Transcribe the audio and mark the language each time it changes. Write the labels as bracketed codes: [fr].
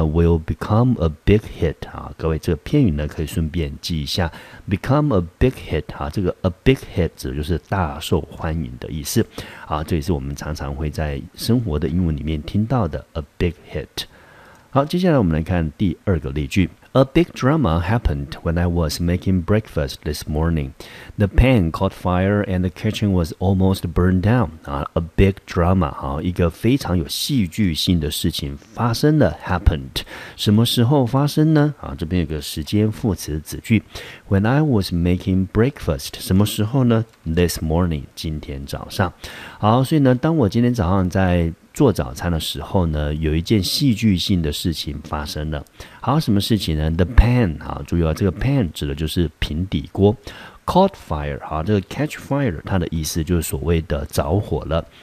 [en] Will become a big hit。 [zh] 各位，这个片语呢可以顺便记一下， [en] become a big hit。 [zh] 这个 [en] a big hit [zh] 指的就是大受欢迎的意思。好，这也是我们常常会在生活的英文里面听到的 [en] a big hit。 [zh] 好，接下来我们来看第二个例句。 [en] A big drama happened when I was making breakfast this morning. The pan caught fire and the kitchen was almost burned down. A big drama， [zh] 一个非常有戏剧性的事情发生了， [en] happened， [zh] 什么时候发生呢？这边有个时间副词子句。 [en] When I was making breakfast， [zh] 什么时候呢？ [en] This morning， [zh] 今天早上。好，所以呢，当我今天早上在做早餐的时候呢，有一件戏剧性的事情发生了。好，什么事情呢？ [en] The pan， [zh] 注意这个 pan 指的就是平底锅。 [en] Caught fire， [zh] 这个 [en] catch fire [zh] 它的意思就是所谓的着火了。